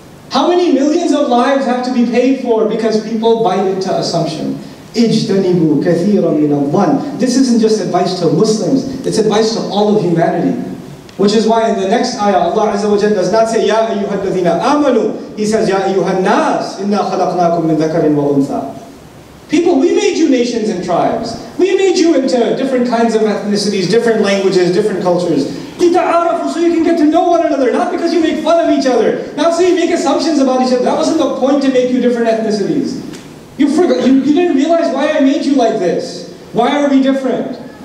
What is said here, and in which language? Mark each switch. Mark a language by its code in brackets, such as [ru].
[en] How many millions of lives have to be paid for because people buy into assumption? [ar] اجتنبوا كثيرا من الظن. [en] This isn't just advice to Muslims, it's advice to all of humanity. Which is why in the next ayah, Allah Azza wa Jalla does not say, [ar] يَا أَيُّهَا الَّذِينَ آمَنُوا. [en] He says, [ar] يَا أَيُّهَا النَّاسِ إِنَّا خَلَقْنَاكُمْ مِنْ ذَكَرٍ وَأُنْثَى. [en] People, we made you nations and tribes. We made you into different kinds of ethnicities, different languages, different cultures. [ar] لِتَعَارَفُوا. [en] So you can get to know one another, not because you make fun of each other. Not so you make assumptions about each other. That wasn't the point to make you different ethnicities. You forgot. You didn't realize why I made you like this. Why are we different?